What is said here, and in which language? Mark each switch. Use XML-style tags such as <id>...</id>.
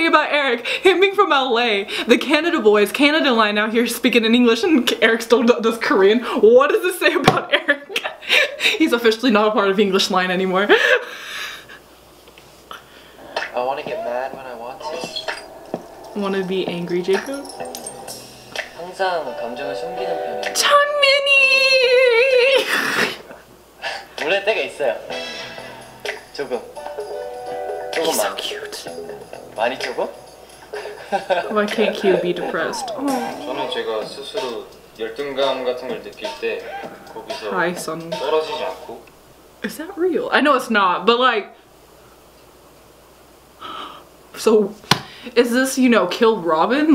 <en>thing about Eric, him being from LA, the Canada boys, Canada line out here speaking in English and Eric still does Korean. What does this say about Eric? He's officially not a part of the English line anymore. I want to get mad when I want to. Want to be angry, Jacob?</en> <ko>항상 감정을 숨기는 편이에요. 장민이! 원래 때가 있어요. 조금. 조금만.</ko> <en>He's so cute.</en> <ko>많이 조금?</ko> <en>Why can't Q be depressed? Oh.</en> <ko>저는 제가 스스로 열등감 같은 걸 느낄 때 거기서</ko> <en>Hi, son.</en> <ko>떨어지지 않고</ko> <en>Is that real? I know it's not, but like So, is this, you know, kill Robyn?</en>